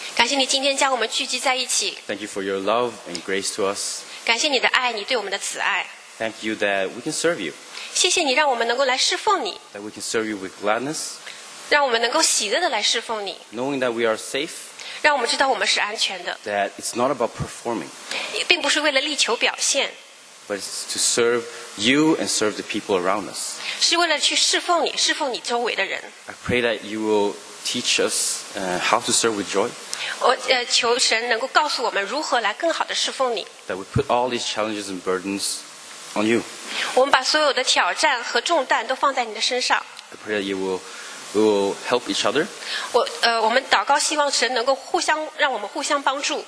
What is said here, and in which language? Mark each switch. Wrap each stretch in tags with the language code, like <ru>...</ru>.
<zh>感谢你今天将我们聚集在一起。</zh> <en>Thank you for your love and grace to us.</en> <zh>感谢你的爱，你对我们的慈爱。</zh> <en>Thank you that we can serve you.</en> <zh>谢谢你让我们能够来侍奉你。</zh> <en>That we can serve you with gladness.</en> <zh>让我们能够喜乐地来侍奉你。</zh> <en>Knowing that we are safe.</en> <zh>让我们知道我们是安全的。</zh> <en>That it's not about performing.</en> <zh>并不是为了力求表现。</zh> <en>But it's to serve you and serve the people around us.</en> <zh>是为了去侍奉你，侍奉你周围的人。</zh> <en>I pray that you will teach us how to serve with joy.</en> <zh>我求神能够告诉我们如何来更好地侍奉你。</zh> <en>That we put all these challenges and burdens. On you.</en> <zh>我们把所有的挑战和重担都放在你的身上。</zh> <en>I pray that you will help each other.</en> <zh>我们祷告希望神能够互相让我们互相帮助。</zh>